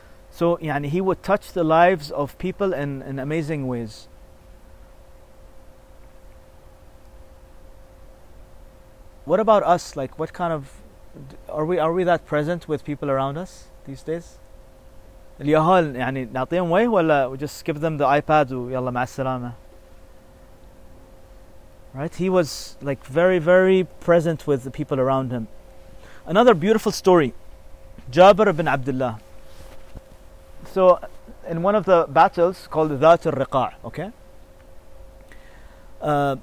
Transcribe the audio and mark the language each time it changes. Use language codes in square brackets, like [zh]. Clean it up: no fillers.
[en] So yani, he would touch the lives of people in amazing ways. What about us? Like, what kind of... Are we that present with people around us these days? [ar] اليهال يعني نعطيهم وي ولا [en] we just give them the iPad [ar] ويلا مع السلامة. [en] Right? He was like very, very present with the people around him. Another beautiful story. Jabir ibn Abdullah. So, in one of the battles called Dhat al-Riqa', okay?